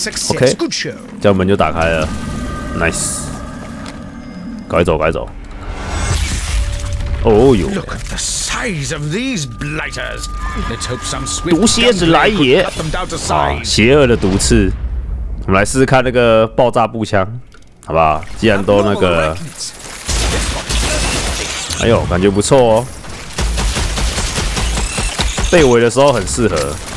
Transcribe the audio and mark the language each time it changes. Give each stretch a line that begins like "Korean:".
Chinese: OK， 这样门就打开了 ，Nice， 赶快走，赶快走。
English: Look at the size of these blighters. Let's hope some
Chinese: swift 毒蝎子来也。啊，邪恶的毒刺。我们来试试看那个爆炸步枪，好不好？既然都那个，哎呦，感觉不错哦。被围的时候很适合。